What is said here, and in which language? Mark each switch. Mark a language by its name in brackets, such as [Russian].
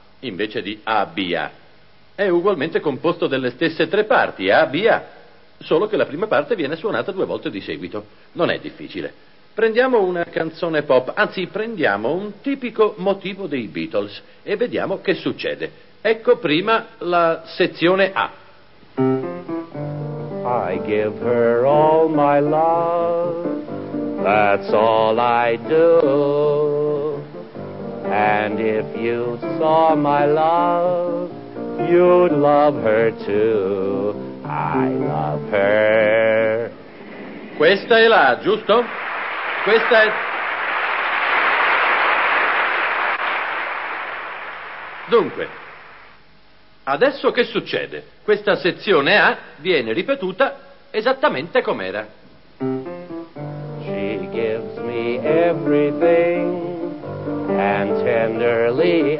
[Italian] Invece di A-B-A. È ugualmente composto delle stesse tre parti, A-B-A, solo che la prima parte viene suonata due volte di seguito. Non è difficile. Prendiamo una canzone pop, anzi prendiamo un tipico motivo dei Beatles e vediamo che succede. Ecco prima la sezione A. [English] I give her all my love, that's all I do. And if you saw my love, you'd love her too. I love her. [Italian] Questa è la, giusto? Questa è... Dunque, adesso che succede? Questa sezione A viene ripetuta esattamente com'era. [English] She gives me everything and tenderly...